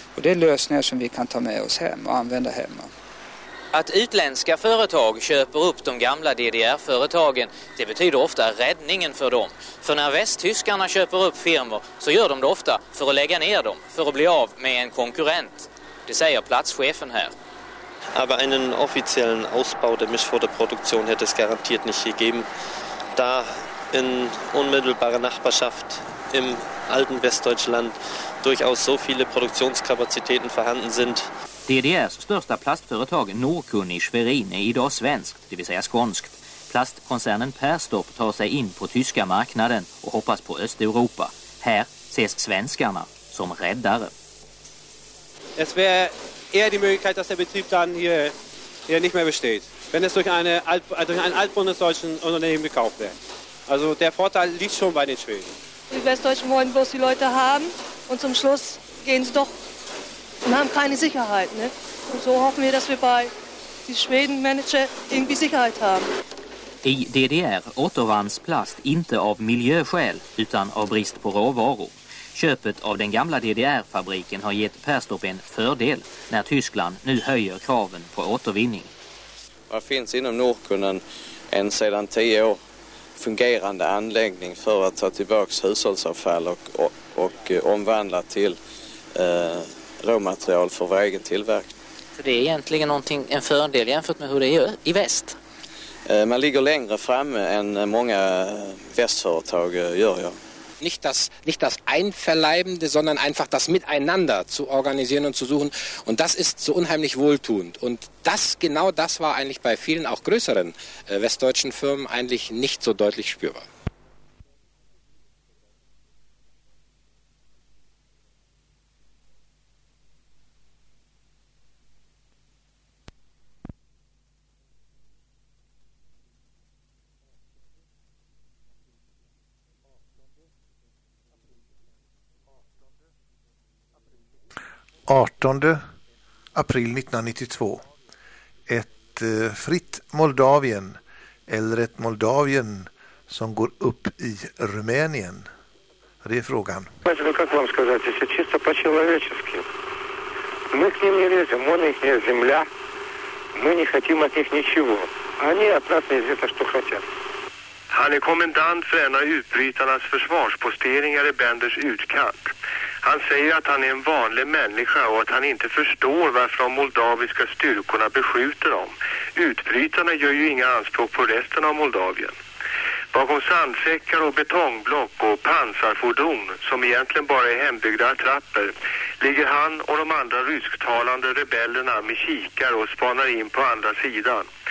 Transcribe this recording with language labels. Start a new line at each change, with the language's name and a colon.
Swedish: Och det är lösningar som vi kan ta med oss hem och använda hemma. Att utländska företag köper upp de gamla DDR-företagen, det betyder ofta räddningen för dem. För när västtyskarna köper upp firmor så gör de det ofta för att lägga ner dem, för att bli av med en konkurrent. Det säger platschefen här.
German: Aber einen offiziellen Ausbau der Mischförderproduktion hätte es garantiert nicht gegeben, da in unmittelbarer Nachbarschaft im alten Westdeutschland durchaus so viele Produktionskapazitäten vorhanden sind.
Swedish: DDRs största plastföretag Norrkunn i Schwerin är idag svenskt, det vill säga skånskt. Plastkoncernen Perstorp tar sig in på tyska marknaden och hoppas på Östeuropa. Här ses svenskarna som räddare.
German: Es wäre eher die Möglichkeit, dass der Betrieb dann hier nicht mehr besteht, wenn es durch ein altbundesdeutschen Unternehmen gekauft wäre. Also der Vorteil liegt schon bei den Schweden. Die Westdeutschen wollen bloß die Leute haben und zum Schluss gehen sie doch. Wir haben keine Sicherheit, ne? Und so hoffen wir, dass wir bei die Schweden-Manager irgendwie Sicherheit haben.
Swedish: I DDR återvanns plast inte av miljöskäl utan av brist på råvaror. Köpet av den gamla DDR-fabriken har gett Perstorp en fördel när Tyskland nu höjer kraven på återvinning. Det finns inom Norrkunnen en sedan 10 år fungerande anläggning för att ta tillbaks hushållsavfall och omvandla till råmaterial för vår egen tillverkning. Så det är egentligen någonting, en fördel jämfört med hur det är i väst? Man ligger längre fram än många västföretag gör, ja.
German: Nicht das einverleibende, sondern einfach das miteinander zu organisieren und zu suchen. Und das ist so unheimlich wohltuend. Und das, genau das war eigentlich bei vielen auch größeren westdeutschen Firmen eigentlich nicht so deutlich spürbar.
Swedish: April 1992. Ett fritt Moldavien, eller ett Moldavien som går upp i Rumänien. Det är frågan. Vad ska jag säga? Det är
Russian: чисто по-человечески. Мы к ним не лезем, он их не земля. Мы не хотим от них ничего. Они от нас не знают, что хотят.
Swedish: Han är kommandant för en av utbrytarnas försvarsposteringar i Benders utkant. Han säger att han är en vanlig människa och att han inte förstår varför de moldaviska styrkorna beskjuter dem. Utbrytarna gör ju inga anspråk på resten av Moldavien. Bakom sandsäckar och betongblock och pansarfordon, som egentligen bara är hembyggda trappor, ligger han och de andra rysktalande rebellerna med kikar och spanar in på andra sidan.